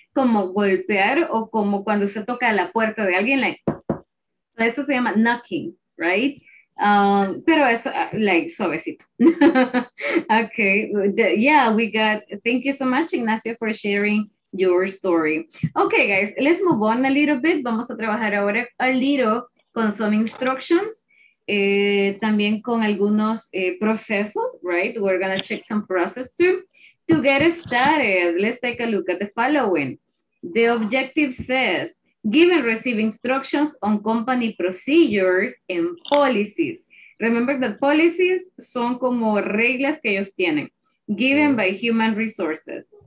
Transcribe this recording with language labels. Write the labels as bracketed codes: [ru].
[es] Como golpear o como cuando se toca la puerta de alguien, like, eso se llama knocking, right? Pero es like suavecito. [en] Okay, yeah, we got, thank you so much, Ignacio, for sharing your story. Okay, guys, let's move on a little bit. [es] Vamos a trabajar ahora [en] a little [es] con [en] some instructions, [es] también con algunos procesos, right? [en] We're gonna check some process too. To get started, let's take a look at the following. The objective says, give and receive instructions on company procedures and policies. Remember that policies [es] son como reglas que ellos tienen, [en] given by human resources.